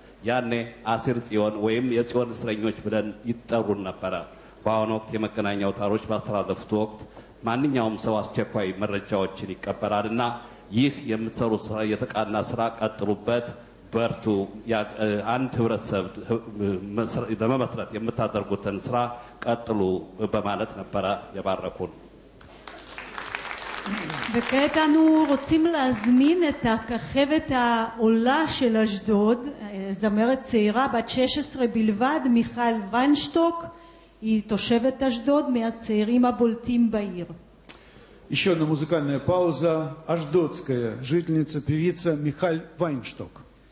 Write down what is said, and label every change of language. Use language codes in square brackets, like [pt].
[am] ያኔ አሲር ጽዮን ወይም የጽዮን እስረኞች ብለን ይጠሩን ነበረ። በአሁን ወቅት የመገናኛ አውታሮች ባስተላለፉት ወቅት ማንኛውም ሰው አስቸኳይ መረጃዎችን ይቀበላልና ይህ የምትሰሩ ስራ የተቃና ስራ ቀጥሉበት በርቱ። አንድ ህብረተሰብ ለመመስረት የምታደርጉትን ስራ ቀጥሉ በማለት ነበረ የባረኩን። [he] וכעת אנו רוצים להזמין את הכחבת העולה של אשדוד, זמרת צעירה בת 16 בלבד, מיכל ונשטוק. היא תושבת אשדוד, מהצעירים הבולטים בעיר. [ru] еще одна музыкальная пауза. אשדודская жительница, певица מיכל ונשטוק.